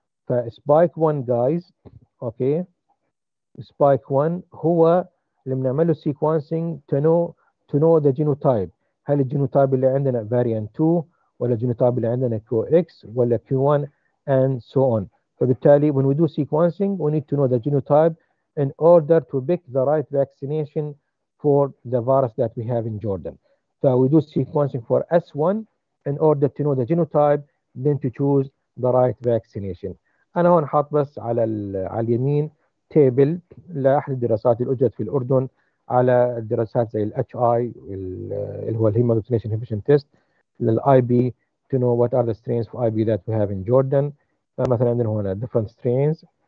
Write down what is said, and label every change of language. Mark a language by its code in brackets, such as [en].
[en] فspike 1 guys، okay spike 1 هو اللي بنعمله sequencing to know the genotype. [ar] هل الجينوتايب اللي عندنا variant 2 ولا الجينوتايب اللي عندنا qx ولا q1 [en] and so on. فبالتالي when we do sequencing we need to know the genotype in order to pick the right vaccination for the virus that we have in Jordan. So we do sequencing for S1 in order to know the genotype then to choose the right vaccination. [ar] أنا هون حاط بس على اليمين تيبل لأحد الدراسات اللي أجرت في الأردن على الدراسات زي الـ HI اللي هو الـ Hemagglutination Inhibition Test للـ IB [en] to know what are the strains of IB that we have in Jordan. [ar] فمثلا عندنا هنا [en] different strains.